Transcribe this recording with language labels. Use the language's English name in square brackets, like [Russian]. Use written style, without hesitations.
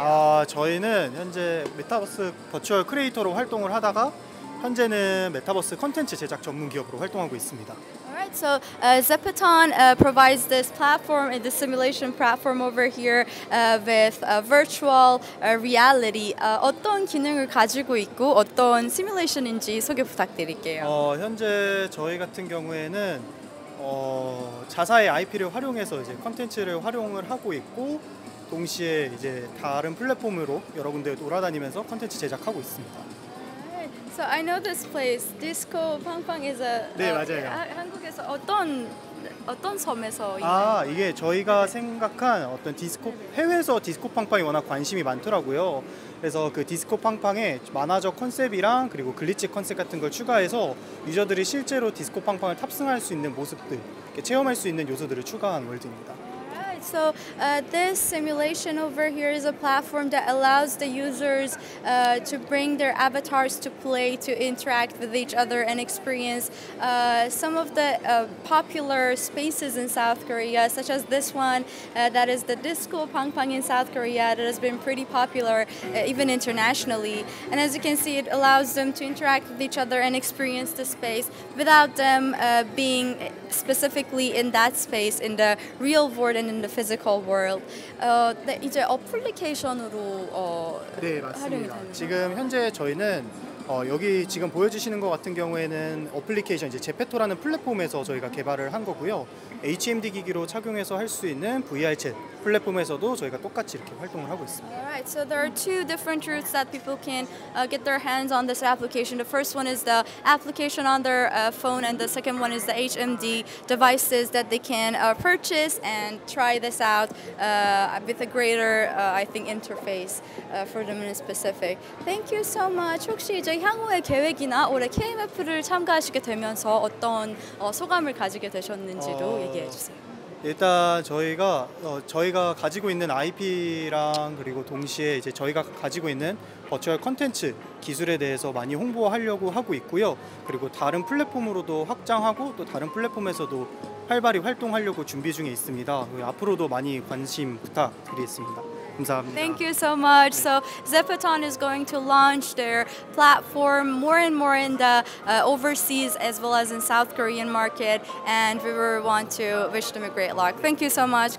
[Korean] 아, 저희는 현재 메타버스 버추얼 크리에이터로 활동을 하다가 현재는 메타버스 콘텐츠 제작 전문 기업으로 활동하고 있습니다. [English] Alright, so Zepeton provides this platform, the simulation platform over here with virtual reality. [Korean] 어떤 기능을 가지고 있고 어떤 시뮬레이션인지 소개 부탁드릴게요. 현재 저희 같은 경우에는 자사의 IP를 활용해서 이제 콘텐츠를 활용을 하고 있고 동시에 이제 다른 플랫폼으로 여러 군데 돌아다니면서 콘텐츠 제작하고 있습니다. [English] So I know this place. Disco Pang Pang is a. [Korean] 네 맞아요. 한국에서 어떤 섬에서. 아 이게 저희가 네. 생각한 어떤 디스코 해외에서 디스코 팡팡이 워낙 관심이 많더라고요. 그래서 그 디스코 팡팡에 만화적 컨셉이랑 그리고 글리치 컨셉 같은 걸 추가해서 유저들이 실제로 디스코 팡팡을 탑승할 수 있는 모습들, 체험할 수 있는 요소들을 추가한 월드입니다. [English] So this simulation over here is a platform that allows the users to bring their avatars to play, to interact with each other and experience some of the popular spaces in South Korea, such as this one that is the Disco Pangpang in South Korea that has been pretty popular even internationally. And as you can see, it allows them to interact with each other and experience the space without them being specifically in that space, in the real world and in the physical world. [Korean] 네, 이제 어플리케이션으로 네, 맞습니다. 지금 현재 저희는 여기 지금 보여주시는 것 같은 경우에는 어플리케이션, 이제 제페토라는 플랫폼에서 저희가 개발을 한 거고요. HMD 기기로 착용해서 할 수 있는 VR 챗 플랫폼에서도 저희가 똑같이 이렇게 활동을 하고 있습니다. [English] Alright, so there are two different routes that people can get their hands on this application. The first one is the application on their phone, and the second one is the HMD devices that they can purchase and try this out with a greater, I think, interface for them in specific. Thank you so much. [Korean] 혹시 이제 향후의 계획이나 올해 KMF를 참가하시게 되면서 어떤 소감을 가지게 되셨는지도 얘기해 주세요. 일단 저희가 가지고 있는 IP랑 그리고 동시에 이제 저희가 가지고 있는 버추얼 콘텐츠 기술에 대해서 많이 홍보하려고 하고 있고요. 그리고 다른 플랫폼으로도 확장하고 또 다른 플랫폼에서도 활발히 활동하려고 준비 중에 있습니다. 앞으로도 많이 관심 부탁드리겠습니다. 감사합니다. [English] Thank you so much. So Zepeton is going to launch their platform more and more in the overseas as well as in South Korean market, and we want to wish them a great luck. Thank you so much.